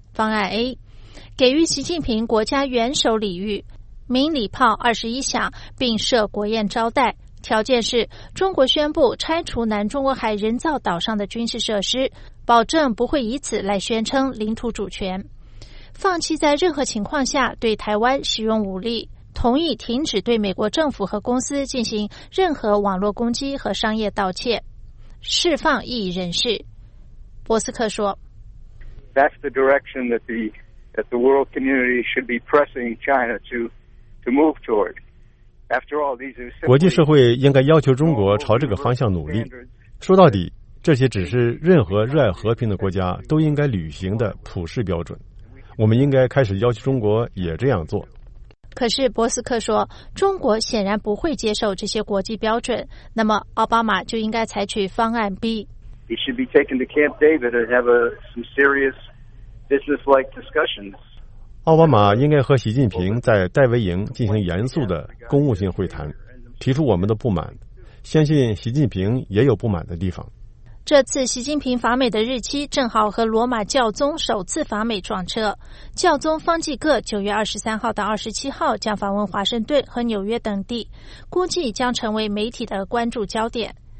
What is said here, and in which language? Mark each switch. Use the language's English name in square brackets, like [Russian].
[Chinese] 方案 A， 给予习近平国家元首礼遇，鸣礼炮21响，并设国宴招待，条件是中国宣布拆除南中国海人造岛上的军事设施，保证不会以此来宣称领土主权，放弃在任何情况下对台湾使用武力，同意停止对美国政府和公司进行任何网络攻击和商业盗窃，释放异议人士。博斯克说， [English] That's the direction that the world community should be pressing China to move toward. After all, these are [Chinese] 国际社会应该要求中国朝这个方向努力。说到底，这些只是任何热爱和平的国家都应该履行的普世标准。我们应该开始要求中国也这样做。可是博斯克说，中国显然不会接受这些国际标准，那么奥巴马就应该采取方案 B。 [English] He should be taken to Camp David and have some serious business-like discussions. [Chinese] 奥巴马应该和习近平在戴维营进行严肃的公务性会谈，提出我们的不满，相信习近平也有不满的地方。这次习近平访美的日期正好和罗马教宗首次访美撞车。教宗方济各9月23号到27号将访问华盛顿和纽约等地，估计将成为媒体的关注焦点。